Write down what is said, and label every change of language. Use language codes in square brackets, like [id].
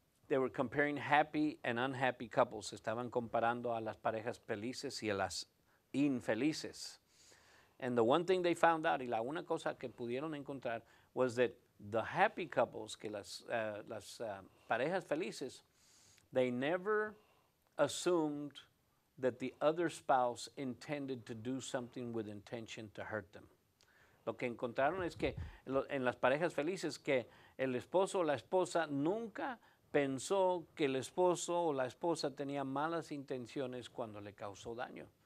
[en] They were comparing happy and unhappy couples. [es] Estaban comparando a las parejas felices y a las infelices. [en] And the one thing they found out, [es] y la una cosa que pudieron encontrar, [en] was that the happy couples, [es] que las parejas felices, [en] they never assumed that the other spouse intended to do something with intention to hurt them. [es] Lo que encontraron es que en las parejas felices, que el esposo o la esposa nunca pensó que el esposo o la esposa tenía malas intenciones cuando le causó daño.